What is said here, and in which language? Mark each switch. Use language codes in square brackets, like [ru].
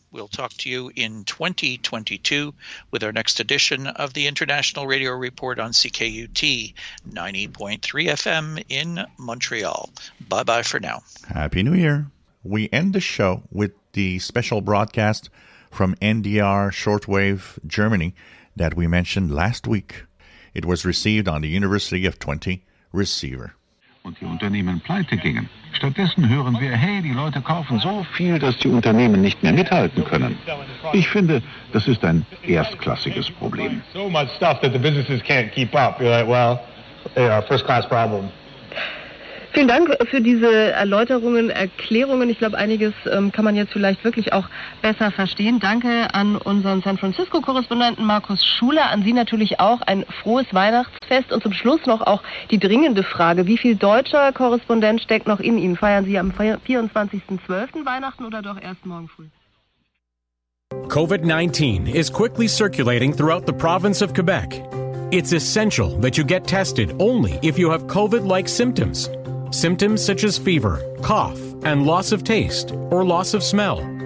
[en] We'll talk to you in 2022 with our next edition of the International Radio Report on CKUT 90.3 FM in Montreal. Bye-bye for now. Happy New Year. We end the show with the special broadcast from NDR Shortwave Germany that we mentioned last week. It was received on the University of 20 receiver. [de] Und die Unternehmen pleite gingen. Stattdessen hören wir, hey, die Leute kaufen so viel, dass die Unternehmen nicht mehr mithalten können. Ich finde, das ist ein erstklassiges Problem. [en] So much stuff that the businesses can't keep up. You're like, well, yeah, first class problem. [de] Vielen Dank für diese Erläuterungen, Erklärungen. Ich glaube, einiges kann man jetzt vielleicht wirklich auch besser verstehen. Danke an unseren San Francisco-Korrespondenten Markus Schuler. An Sie natürlich auch ein frohes Weihnachtsfest. Und zum Schluss noch auch die dringende Frage. Wie viel deutscher Korrespondent steckt noch in Ihnen? Feiern Sie am 24.12. Weihnachten oder doch erst morgen früh? [en] COVID-19 is quickly circulating throughout the province of Quebec. It's essential that you get tested only if you have COVID-like symptoms. Symptoms such as fever, cough, and loss of taste or loss of smell.